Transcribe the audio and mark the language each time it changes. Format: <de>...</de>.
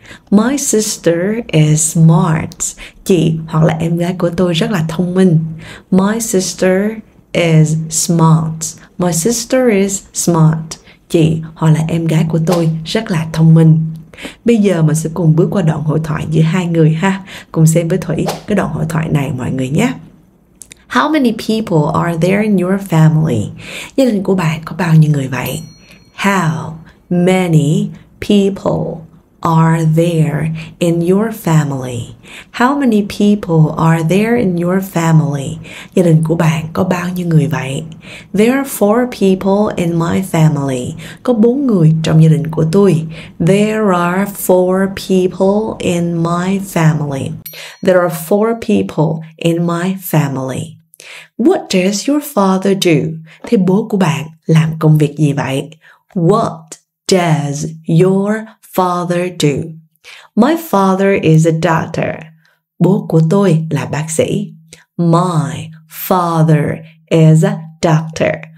<en>My sister is smart.</en> <vi>Chị hoặc là em gái của tôi rất là thông minh.</vi> <en>My sister is smart. My sister is smart.</en> <vi>Chị hoặc là em gái của tôi rất là thông minh. Bây giờ mình sẽ cùng bước qua đoạn hội thoại giữa hai người ha. Cùng xem với Thủy cái đoạn hội thoại này mọi người nhé.</vi> <en>How many people are there in your family?</en> <vi>Gia đình của bạn có bao nhiêu người vậy?</vi> <en>How many people are there in your family? How many people are there in your family?</en> <vi>Gia đình của bạn có bao nhiêu người vậy?</vi> <en>There are 4 people in my family.</en> <vi>Có 4 người trong gia đình của tôi.</vi> <en>There are 4 people in my family. There are 4 people in my family. What does your father do?</en> <vi>Thế bố của bạn làm công việc gì vậy?</vi> <en>What does your father do? My father is a doctor.</en> <vi>Bố của tôi là bác sĩ.</vi> <en>My father is a doctor.</en>